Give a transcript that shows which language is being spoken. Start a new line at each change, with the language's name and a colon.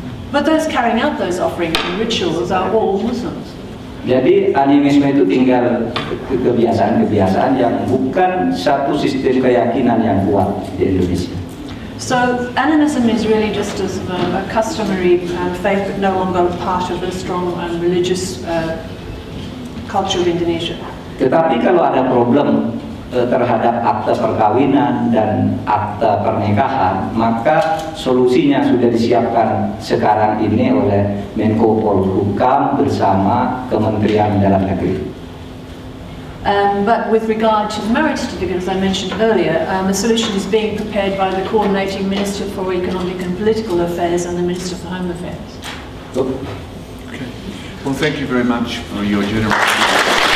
English: But those carrying out those offerings and rituals are all Muslims.
Indonesian: Jadi animisme itu tinggal kebiasaan-kebiasaan yang bukan satu sistem keyakinan yang kuat di Indonesia.
English: So animism is really just as a customary faith, but no longer part of the strong religious culture of Indonesia.
Indonesian: Tetapi kalau ada problem terhadap akta perkawinan dan akta pernikahan, maka solusinya sudah disiapkan sekarang ini oleh Menko Polhukam bersama Kementerian Dalam Negeri.
English: But with regard to the marriage certificate, as I mentioned earlier, a solution is being prepared by the coordinating Minister for Economic and Political Affairs and the Minister for Home Affairs. Okay. Well, thank you very much for your generosity.